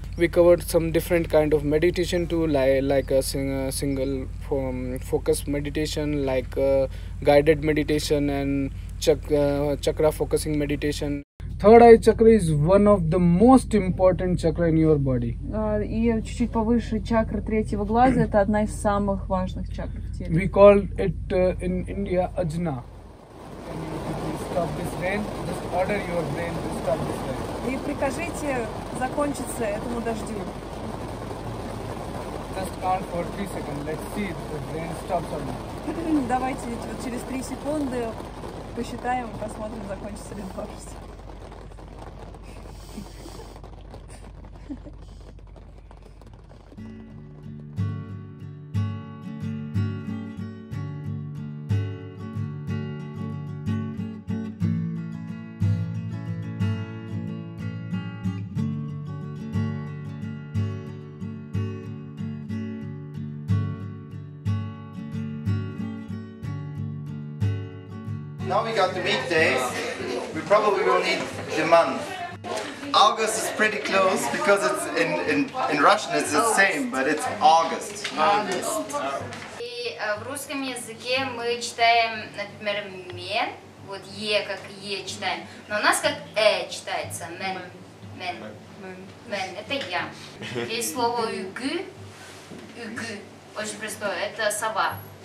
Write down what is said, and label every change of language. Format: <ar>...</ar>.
<en>We covered some different kind of meditation too, like a single focus meditation, like a guided meditation and chakra focusing meditation. Third eye chakra is one of the most important chakra in your body.</en> <ru>И чуть-чуть повыше чакра третьего глаза, это одна из самых важных чакр в теле.</ru> <en>We call it in India Ajna. Can you stop this rain? Just order your brain to stop this rain.</en> <ru>И прикажите закончиться этому дождю.</ru> <en>Just call for 3 seconds. Let's see if the rain stops or not.</en> <ru>Давайте вот через 3 секунды посчитаем, посмотрим, закончится ли дождь.</ru> <en>Now we got the weekdays, we probably will need the month. August is pretty close because it's in Russian it's the same, but it's August.</en> <ru>И в русском языке мы читаем, например, мен, вот е как е читаем, но у нас как э читается, мен, мен, мен, это я. Есть слово югы, югы, очень простое, это сова.</ru>